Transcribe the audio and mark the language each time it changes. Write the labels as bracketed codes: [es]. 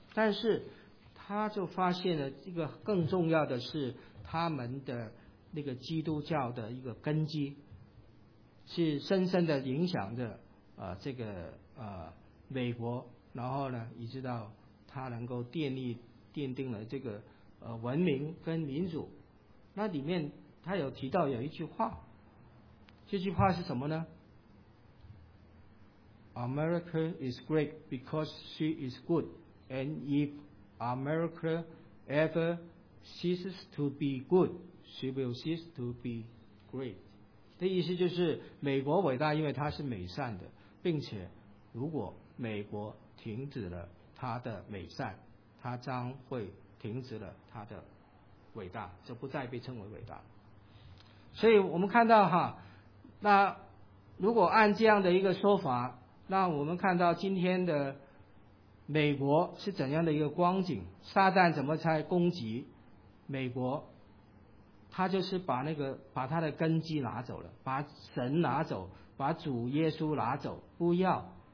[zh] 但是他就发现了一个更重要的是他们的那个基督教的一个根基，是深深的影响着这个美国，然后呢，一直到他能够奠定了这个文明跟民主。那里面他有提到有一句话，这句话是什么呢？ [en] America is great because she is good, and if America ever ceases to be good, she will cease to be great。 [zh] 的意思就是美国伟大因为它是美善的，并且如果美国停止了它的美善，它将会停止了它的伟大，就不再被称为伟大。所以我们看到哈，那如果按这样的一个说法，那我们看到今天的美国是怎样的一个光景，撒旦怎么在攻击美国，他就是把那个把他的根基拿走了，把神拿走，把主耶稣拿走，不要。